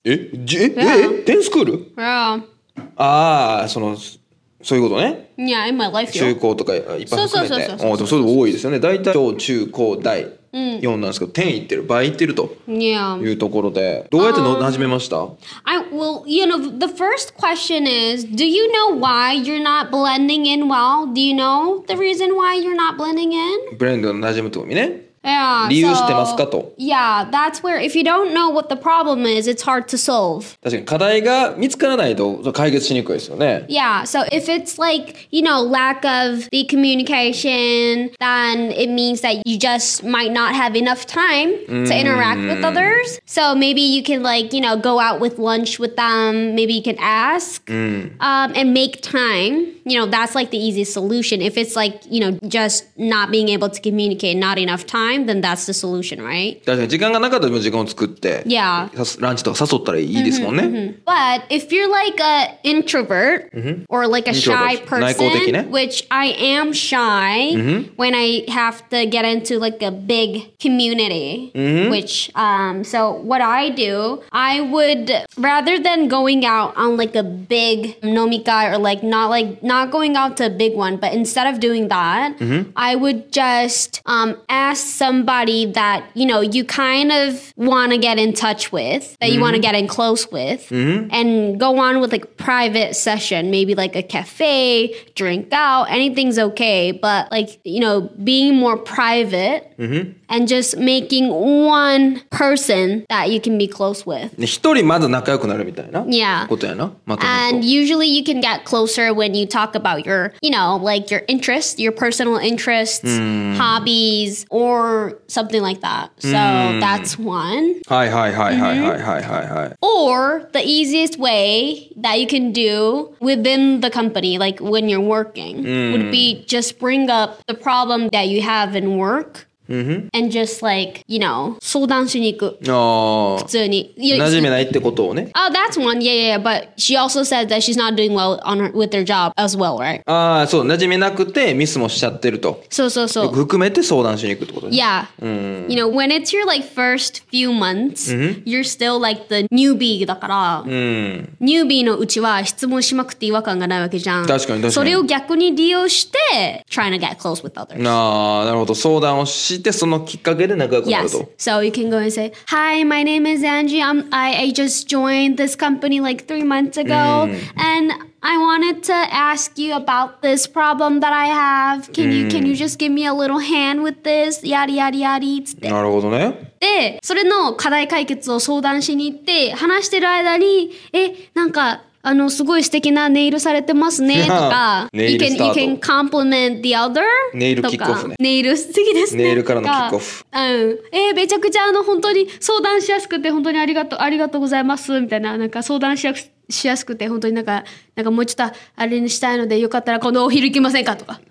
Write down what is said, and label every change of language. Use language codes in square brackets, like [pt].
[en] Yeah. 10 スクール? Yeah. [ja] ああ、その…そういうことね。いや、 [en] in my life, [ja] 中高とかいっぱい含めて。そうそうそう。でもそれ多いですよね。大体、小、中、高、大、4なんですけど、10いってる、倍いってると。 [en] Yeah. [ja] いうところで。どうやって馴染めました? [en] You know, the first question is, do you know why you're not blending in well? Do you know the reason why you're not blending in? [ja] ブレンド馴染むとこにね。 [en] Yeah, [ja] 理由知ってますかと。 [en] Yeah, that's where if you don't know what the problem is, it's hard to solve. [ja] 確かに課題が見つからないと解決しにくいですよね。 [en] Yeah, so if it's like, you know, lack of the communication, then it means that you just might not have enough time to interact with others. So maybe you can like, you know, go out with lunch with them, maybe you can ask, and make time. You know, that's like the easiest solution. If it's like, you know, just not being able to communicate, not enough time,then that's the solution, right? [ja] 確かに時間がなかったら時間を作って、 [en] yeah. [ja] ランチとか誘ったらいいですもんね。 [en] Mm-hmm, mm-hmm. But if you're like an introvert or like a shy person, [ja] 内向的ね、 [en] which I am shy when I have to get into like a big community, which so what I do, I would rather than going out on like a big [ja] 飲み会 [en] or like not going out to a big one, but instead of doing that, I would just ask somebody that you know you kind of want to get in touch with that you want to get in close with and go on with like private session maybe like a cafe drink out anything's okay but like you know being more private and just making one person that you can be close with [ja] 一人まず仲良くなるみたいなことやな、 [en] and usually you can get closer when you talk about your you know like your interests your personal interests hobbies orsomething like that. So that's one. Or the easiest way that you can do within the company, like when you're working, would be just bring up the problem that you have in work Mm-hmm. And just like, you know, [ja] 相談しに行く。普通に。馴染めないってことをね。 [en] Oh, that's one. Yeah, yeah, yeah. But she also said that she's not doing well on her, with her job as well, right? [ja] ああ、そう。馴染めなくてミスもしちゃってると。そうそうそう。含めて相談しに行くってことね。 [en] Yeah. You know, when it's your like first few months,、mm-hmm. you're still like the newbie [ja] だから、newbie のうちは質問しまくって違和感がないわけじゃん。確かに確かに。それを逆に利用して、 [en] trying to get close with others. [ja] ああ、なるほど。相談をしそのきっかけで仲良くなると。 [en] Yes. So you can go and say, Hi, my name is Angie. I just joined this company like 3 months ago. And I wanted to ask you about this problem that I have. Can you just give me a little hand with this? Yadi, yadi, yadi. [ja] なるほどね。で、それの課題解決を相談しに行って、話してる間に、え、なんか、あのすごい素敵なネイルされてますねとか、ネイルスタート。 [en] You can compliment the other [ja] ネイルキックオフね。ネイル素敵ですね。ネイルからのキックオフ。うん。めちゃくちゃあの本当に相談しやすくて本当にありがとうございますみたいななんか相談しやすくて本当になんかもうちょっとあれにしたいのでよかったらこのお昼行きませんかとか。